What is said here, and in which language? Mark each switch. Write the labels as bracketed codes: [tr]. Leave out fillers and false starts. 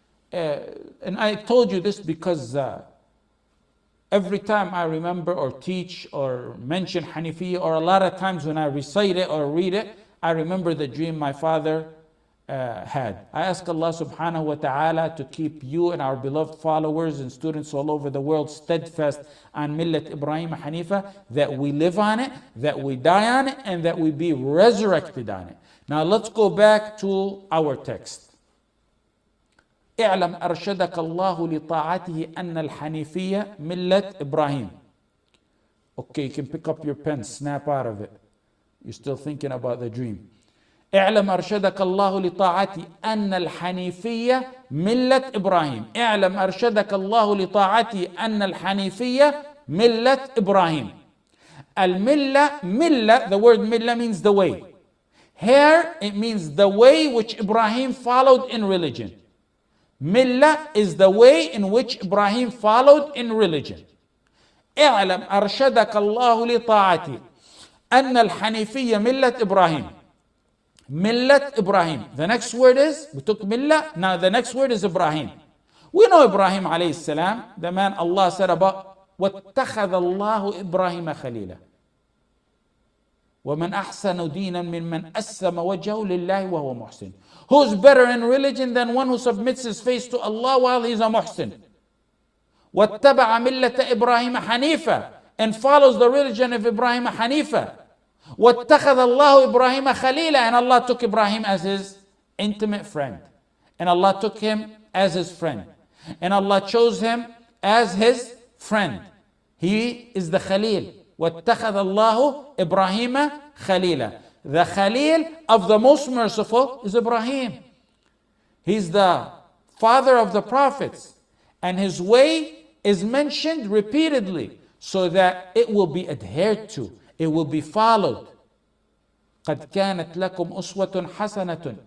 [en] And I told you this because every time I remember or teach or mention Hanifiyyah, or a lot of times when I recite it or read it, I remember the dream my father had. I ask Allah subhanahu wa ta'ala to keep you and our beloved followers and students all over the world steadfast on Millat Ibrahim Hanifa, that we live on it, that we die on it, and that we be resurrected on it. Now let's go back to our text. [ar] اعلم أرشدك الله لطاعته أن الحنيفية ملة إبراهيم. [en] Okay, you can pick up your pen, snap out of it. You're still thinking about the dream. [ar] اعلم أرشدك الله لطاعته أن الحنيفية ملة إبراهيم. اعلم أرشدك الله لطاعته أن الحنيفية ملة إبراهيم. الملة ملة. [en] The word ملة means the way. Here it means the way which Ibrahim followed in religion. Milla is the way in which Ibrahim followed in religion. [ar] اعلم أرشدك الله لطاعتي أن الحنيفية ملة إبراهيم. ملة إبراهيم. [en] The next word is, we took ملة, now the next word is إبراهيم. We know Ibrahim عليه السلام, the man Allah said about, [ar] واتخذ الله إبراهيم خليلا. ومن أحسن دينا من من أسلم وجهه لله وهو محسن. [en] Who's better in religion than one who submits his face to Allah while he's a muhsin? [ar] واتبع ملة إبراهيم حنيفة [en] and follows the religion of Ibrahim حنيفة [ar] واتخذ الله إبراهيم خليلا [en] and Allah took Ibrahim as his intimate friend and Allah took him as his friend and Allah chose him as his friend. He is the [ar] خليل واتخذ الله إبراهيم خليلا. [en] The خليل of the most merciful is Ibrahim. He's the father of the prophets and his way is mentioned repeatedly so that it will be adhered to, it will be followed. [ar] قَدْ كَانَتْ لَكُمْ أُسْوَةٌ حَسَنَةٌ.